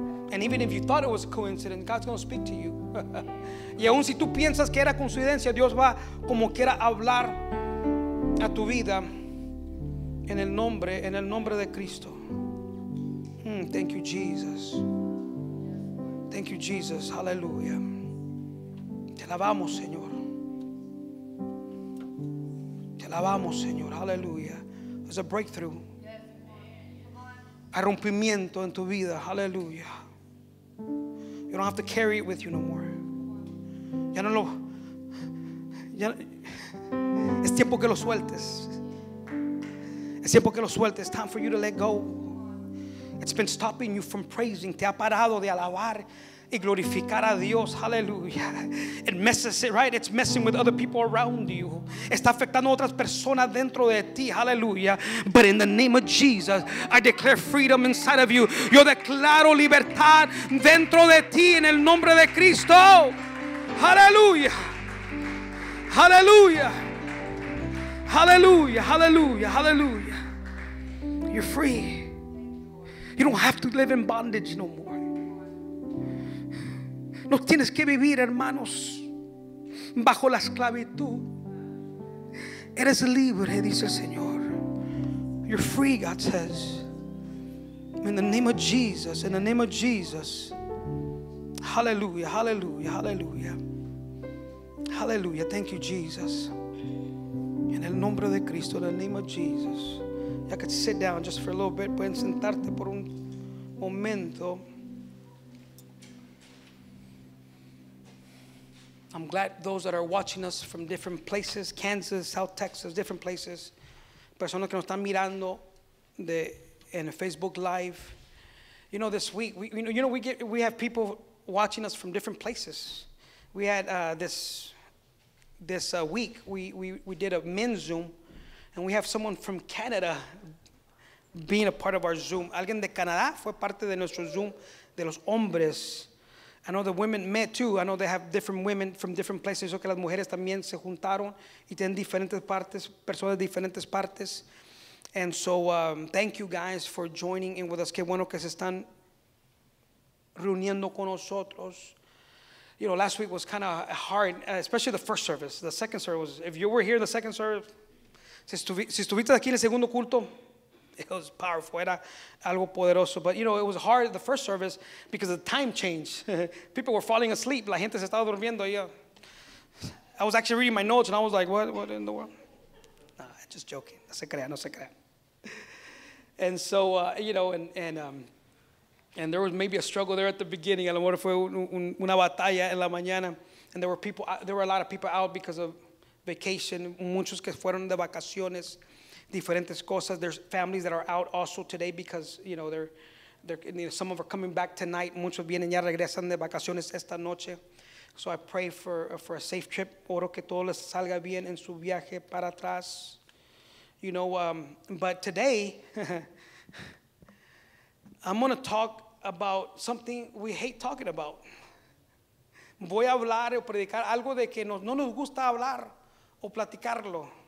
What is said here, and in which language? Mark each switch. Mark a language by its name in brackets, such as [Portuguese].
[English] And even if you thought it was a coincidence, God's going to speak to you. [Spanish] Y aun si tú piensas que era coincidencia, Dios va como quiera hablar a tu vida. En el nombre de Cristo. [English] Thank you, Jesus. Thank you, Jesus. [Spanish] Hallelujah. Te alabamos, Señor. Te alabamos, Señor. Hallelujah. [English] There's a breakthrough. [Spanish] Hay rompimiento en tu vida. Hallelujah. [English] You don't have to carry it with you no more. [Spanish] Ya no lo. Ya, es tiempo que lo sueltes. [English] It's time for you to let go. It's been stopping you from praising. [Spanish] Te ha parado de alabar y glorificar a Dios. Hallelujah. [English] It messes it, right? It's messing with other people around you. [Spanish] Está afectando a otras personas dentro de ti. Hallelujah. [English] But in the name of Jesus, I declare freedom inside of you. [Spanish] Yo declaro libertad dentro de ti en el nombre de Cristo. Hallelujah. Hallelujah. [English] Hallelujah, hallelujah, hallelujah. You're free. You don't have to live in bondage no more. [Spanish] No tienes que vivir, hermanos, bajo la esclavitud. Eres libre, dice el Señor. [English] You're free, God says. In the name of Jesus, in the name of Jesus. Hallelujah, hallelujah, hallelujah. Hallelujah, thank you, Jesus. [Spanish] En el nombre de Cristo, [English] in the name of Jesus. I could sit down just for a little bit. [Spanish] Pueden sentarte por un momento. [English] I'm glad those that are watching us from different places, Kansas, South Texas, different places. [Spanish] Personas que nos están mirando de en Facebook Live. [English] You know, this week we have people watching us from different places. We had this week we did a men's Zoom, and we have someone from Canada being a part of our Zoom. [Spanish] Alguien de Canadá fue parte de nuestro Zoom de los hombres. [English] I know the women met too. I know they have different women from different places. [Spanish] Eso que las mujeres también se juntaron y tienen diferentes partes, personas de diferentes partes. [English] And so thank you guys for joining in with us. [Spanish] Qué bueno que se están reuniendo con nosotros. [English] You know, last week was kind of hard, especially the first service. The second service was, if you were here in the second service, [Spanish] si estuviste aquí en el segundo culto, [English] it was powerful, [Spanish] era algo poderoso. [English] But, you know, it was hard at the first service because of the time change. People were falling asleep. [Spanish] La gente se estaba durmiendo. [English] I was actually reading my notes, and I was like, what in the world? No, just joking. [Spanish] No se crea, no se crea. [English] And so, and there was maybe a struggle there at the beginning. [Spanish] A lo mejor fue una batalla en la mañana. [English] And there were a lot of people out because of vacation. [Spanish] Muchos que fueron de vacaciones. Diferentes cosas. [English] There's families that are out also today because, you know, some of them are coming back tonight. [Spanish] Muchos vienen ya regresan de vacaciones esta noche. [English] So I pray for a safe trip. [Spanish] Oro que todo les salga bien en su viaje para atrás. [English] You know, but today, I'm going to talk about something we hate talking about. [Spanish] Voy a hablar o predicar algo de que no nos gusta hablar o platicarlo.